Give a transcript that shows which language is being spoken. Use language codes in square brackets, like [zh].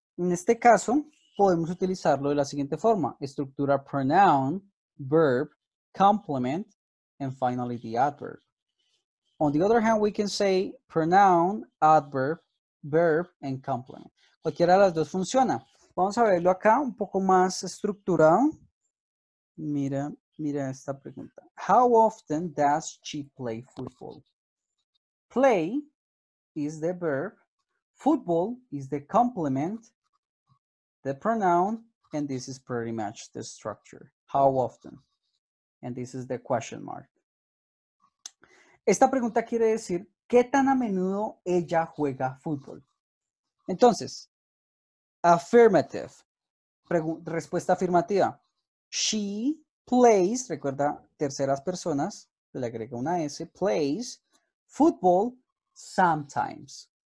[es] En este caso, podemos utilizarlo de la siguiente forma. [en] Estructura pronoun, verb, complement, and finally the adverb. On the other hand, we can say pronoun, adverb, verb, and complement. [es] Cualquiera de las dos funciona. Vamos a verlo acá un poco más estructurado. Mira, mira esta pregunta. [en] How often does she play football? Play is the verb. Football is the complement, the pronoun, and this is pretty much the structure. How often? And this is the question mark. [es] Esta pregunta quiere decir, ¿qué tan a menudo ella juega fútbol? Entonces, affirmative. Respuesta afirmativa. [en] She plays, [es] recuerda, terceras personas, le agrega una S, [en] plays football sometimes.